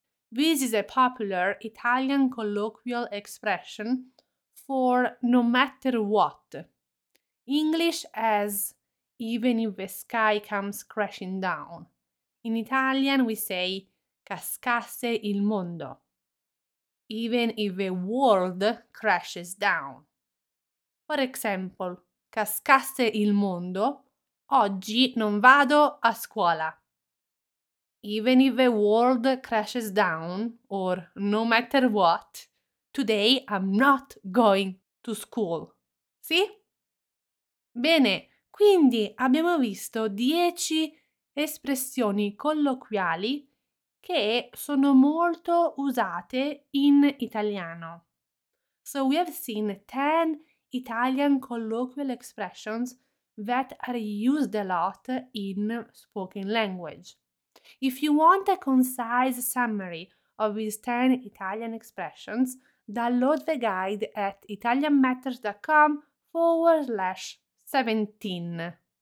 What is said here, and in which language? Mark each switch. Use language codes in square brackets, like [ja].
[en] This is a popular Italian colloquial expression for no matter what. English as even if the sky comes crashing down. In Italian we say cascasse il mondo. Even if the world crashes down. For example, [it] cascasse il mondo, oggi non vado a scuola. [en] Even if the world crashes down, or no matter what, today I'm not going to school. [it] Sì? Bene, quindi abbiamo visto 10 espressioni colloquiali che sono molto usate in italiano. [en] So we have seen 10 Italian colloquial expressions that are used a lot in spoken language. If you want a concise summary of these 10 Italian expressions, download the guide at italianmatters.com/17.